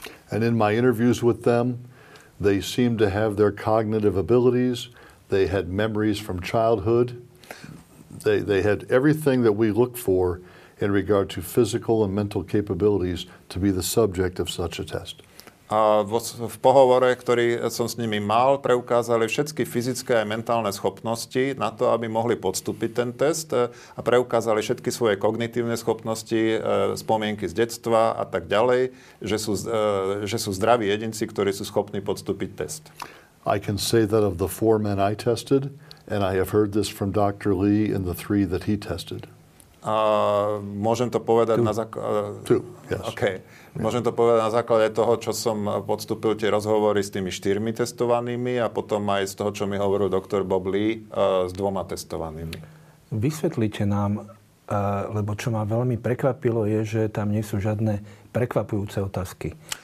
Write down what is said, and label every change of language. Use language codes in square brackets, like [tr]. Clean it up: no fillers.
[en] And in my interviews with them, they seemed to have their cognitive abilities. They had memories from childhood. They had everything that we look for in regard to physical and mental capabilities to be the subject of such a test. [sk] A v pohovore, ktorý som s nimi mal, preukázali všetky fyzické a mentálne schopnosti na to, aby mohli podstúpiť ten test a preukázali všetky svoje kognitívne schopnosti, spomienky z detstva a tak ďalej, že sú zdraví jedinci, ktorí sú schopní podstúpiť test. [en] I can say that of the four men I tested, and I have heard this from Dr. Lee and the three that he tested. [sk] Môžem to povedať [en] two. [sk] Na Môžem to povedať na základe toho, čo som podstúpil tie rozhovory s tými štyrmi testovanými a potom aj z toho, čo mi hovoril doktor Bob Lee, s dvoma testovanými. Vysvetlite nám, lebo čo ma veľmi prekvapilo je, že tam nie sú žiadne prekvapujúce otázky.